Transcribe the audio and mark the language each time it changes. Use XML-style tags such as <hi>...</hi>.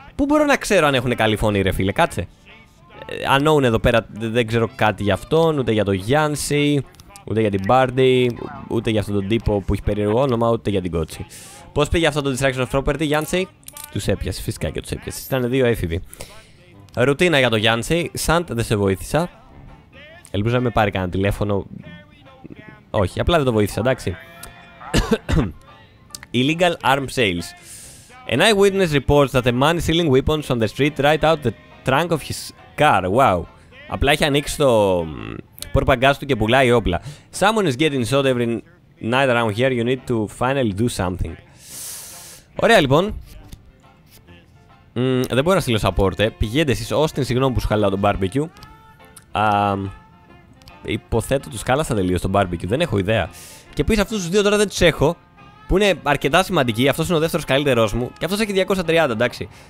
<el>Πού μπορώ να ξέρω αν έχουν καλή φωνή, ρε φίλε, κάτσε. Unknown εδώ πέρα, δεν ξέρω κάτι για αυτόν, ούτε για τον Γιάνση, ούτε για την Μπάρντι, ούτε για αυτόν τον τύπο που έχει περίεργο όνομα, ούτε για την Κότσι. Πώς πήγε αυτό το Distraction of Property, Γιάνση? Τους έπιασε, φυσικά και τους έπιασε. Ήταν δύο έφηβοι. Ρουτίνα για τον Γιάνση, Σαντ, δεν σε βοήθησα. Ελπίζω να μην πάρει κανένα τηλέφωνο. Όχι, απλά δεν το βοήθησα, εντάξει.</el> <en>Illegal arm sales. An eyewitness reports that a man is selling weapons on the street right out the trunk of his car. Wow.</en> <el>Απλά έχει ανοίξει το πορπαγκάζ του και πουλάει όπλα.</el> <en>Someone is getting shot every night around here. You need to finally do something.</en> <el>Ωραία λοιπόν. Δεν μπορώ να στείλω σαπόρτε. Πηγαίνετε εσείς, Austin, συγγνώμη που σου χαλάω τον barbecue. Υποθέτω τους χάλασα τελείως τον barbecue. Δεν έχω ιδέα. Και επίσης αυτούς τους δύο τώρα δεν τους έχω. Που είναι αρκετά σημαντική, αυτός είναι ο δεύτερος καλύτερός μου. Και αυτός έχει 230, εντάξει.</el>